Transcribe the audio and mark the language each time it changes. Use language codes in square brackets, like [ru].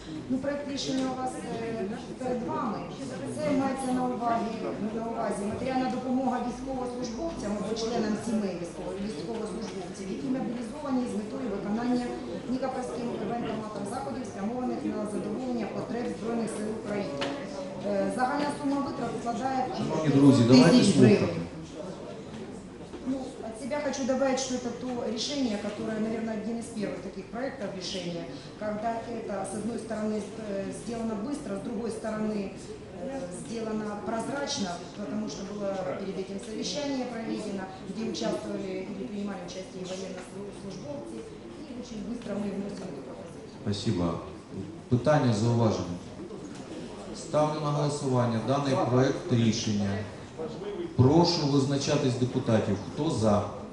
[uk] Ну, проєкт рішення у вас перед вами. Це мається на увазі матеріальна допомога військовослужбовцям або членам сімей військовослужбовців, які мобілізовані з метою виконання нікопольським івентоматом заходів, спрямованих на задоволення потреб Збройних сил України. Загальна сума витрат складає 1000 гривень. [ru] Я хочу добавить, что это то решение, которое, наверное, один из первых таких проектов решения, когда это, с одной стороны, сделано быстро, с другой стороны, сделано прозрачно, потому что было перед этим совещание проведено, где участвовали или принимали участие военнослужащие, и очень быстро мы внесли эту [uk] пропозицию. Спасибо. Питання, зауваження. Ставлю на голосування даний проект рішення. Прошу визначатись депутатів. Хто за?